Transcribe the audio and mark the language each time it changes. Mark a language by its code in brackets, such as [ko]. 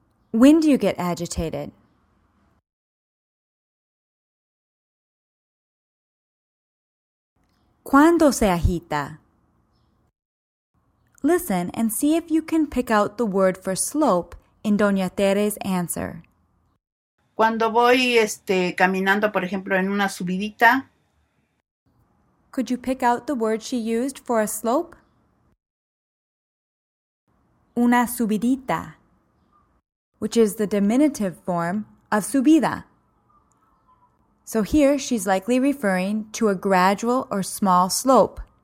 [en] When do you get agitated? [es] ¿Cuándo se agita? [en] Listen and see if you can pick out the word for slope in Doña Tere's answer. [es] Cuando voy caminando, por ejemplo, en una subidita. [en] Could you pick out the word she used for a slope? [es] Una subidita, [en] which is the diminutive form of subida. So here she's likely referring to a gradual or small slope.